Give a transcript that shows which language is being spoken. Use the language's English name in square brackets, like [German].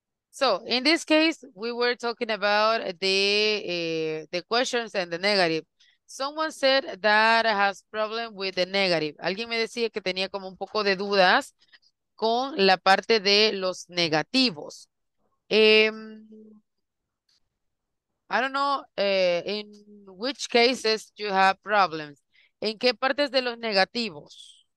[English] So, in this case, we were talking about the questions and the negative. Someone said that has problem with the negative. [Spanish] Alguien me decía que tenía como un poco de dudas con la parte de los negativos. [English] I don't know in which cases you have problems. [Spanish] ¿En qué partes de los negativos?